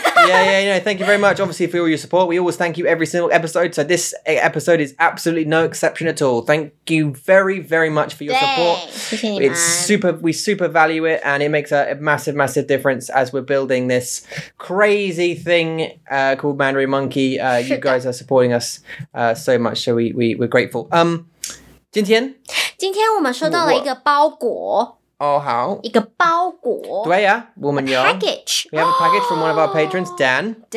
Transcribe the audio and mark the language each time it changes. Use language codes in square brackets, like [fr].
[en] Yeah, thank you very much, obviously, for all your support. We always thank you every single episode, so this episode is absolutely no exception at all. Thank you very, very much for your support. [zh] 谢谢你们。 [en] We super value it, and it makes a massive, massive difference as we're building this crazy thing called Mandarin Monkey. You guys are supporting us so much, so we're grateful. [zh] 今天我们收到了一个包裹。 [en] Oh, how? [zh] 一个包裹。对呀,我们有。 [en] Package. We have a package from one of our patrons, Dan.